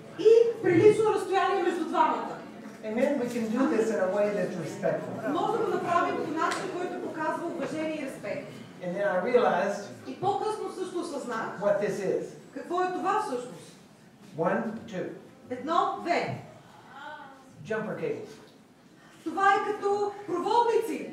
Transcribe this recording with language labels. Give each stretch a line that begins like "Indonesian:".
Bulgarian: И прилично разстояние между двамата.
English: Amen. We can do this in a way that's respectful.
Bulgarian: Може да направим по начин, който показва уважение и респект.
English: And then I realized.
Bulgarian: И по-късно също осъзнах.
English: What this is.
Bulgarian: Какво е това всъщност?
English: One, two.
Bulgarian: Едно, две.
English: Jumper cables.
Bulgarian: Това е като проводници.